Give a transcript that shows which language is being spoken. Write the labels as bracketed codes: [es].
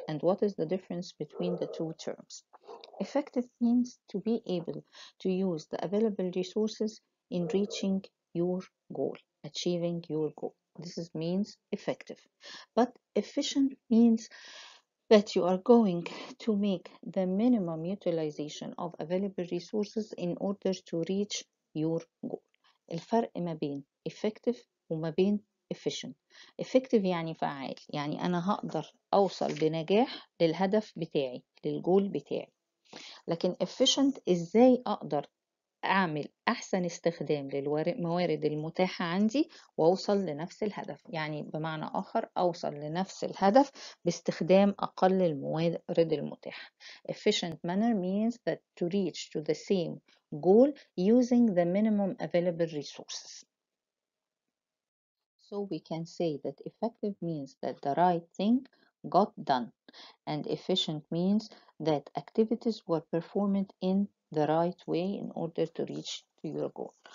[en] And what is the difference between the two terms? Effective means to be able to use the available resources in reaching your goal, achieving your goal. This is means effective. But efficient means that you are going to make the minimum utilization of available resources in order to reach your goal. [ar] الفرق ما بين effective وما بين efficient. Effective يعني فعال، يعني أنا هقدر أوصل بنجاح للهدف بتاعي، للجول بتاعي. لكن efficient إزاي أقدر أعمل أحسن استخدام للموارد المتاحة عندي وأوصل لنفس الهدف، يعني بمعنى آخر أوصل لنفس الهدف باستخدام أقل الموارد المتاحة. [en] Efficient manner means that to reach to the same goal using the minimum available resources. So we can say that effective means that the right thing got done and efficient means that activities were performed in the right way in order to reach your goal.